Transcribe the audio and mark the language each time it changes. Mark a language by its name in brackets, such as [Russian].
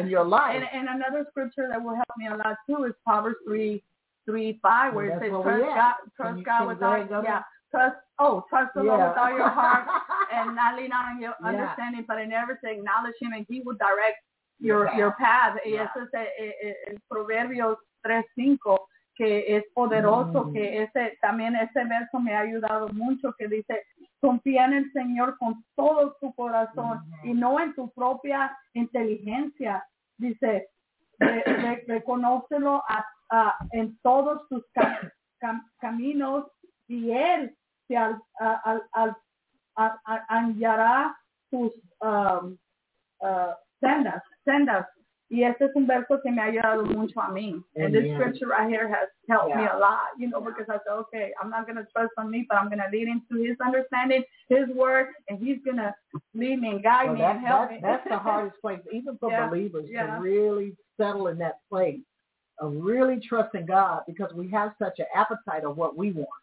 [English] in your life. And another scripture that will help me a lot, too, is Proverbs 3:5, where it says, trust God with all your heart and not lean on your understanding, but in everything, acknowledge him, and he will direct your path. [Spanish] Y eso es el Proverbios 3:5, que es poderoso, que ese también ese verso me ha ayudado mucho, que dice, confía en el Señor con todo tu corazón y no en tu propia inteligencia. Dice, reconócelo en todos tus caminos y él te hallará tus sendas. Y este es un verso que me ha ayudado mucho a mí. [English] Amen. And this scripture right here has helped me a lot, you know, because I said, okay, I'm not going to trust on me, but I'm going to lead into his understanding, his word, and he's going to lead me and guide me and help me. That's the hardest place, even for believers, to really settle in that place of really trusting God, because we have such an appetite of what we want.